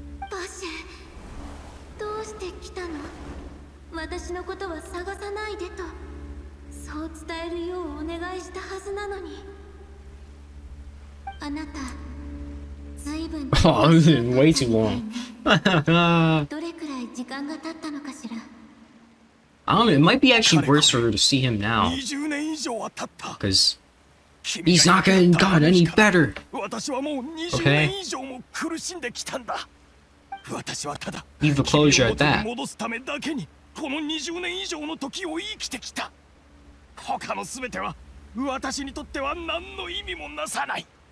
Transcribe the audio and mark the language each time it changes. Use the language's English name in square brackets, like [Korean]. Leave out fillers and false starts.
[Japanese] バッシェ、どうして来たの？私のことは探さないでと、そう伝えるようお願いしたはずなのに。あなた、ずいぶん [English] way too long。 [Japanese] どれくらい時間が経ったのかしら。 [English] I don't know, it might be actually worse for her to see him now. [Japanese] 20年以上は経った。 [English] Because he's not getting got any better. [Japanese] 私はもう20年以上も苦しんできたんだ。私はただ、君を取り戻すためだけに。この20年以上の時を生きてきた。他のすべては私にとっては何の意味もなさない。